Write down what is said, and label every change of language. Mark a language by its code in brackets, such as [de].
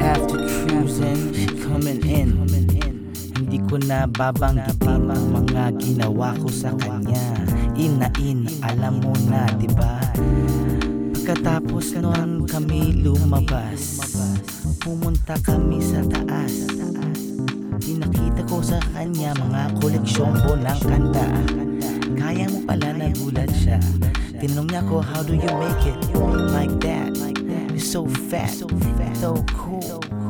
[en] After cruising, she coming in. [tl] Ko na babanggitin ang mga ginawa ko sa kanya. Ina, alam mo na, diba? Pagkatapos nun kami lumabas, pumunta kami sa taas. Pinakita ko sa kanya mga koleksyon po ng kanta. Kaya mo pala, nagulat siya. Tinanong niya ko, [en] how do you make it like that? You're so fat, so cool.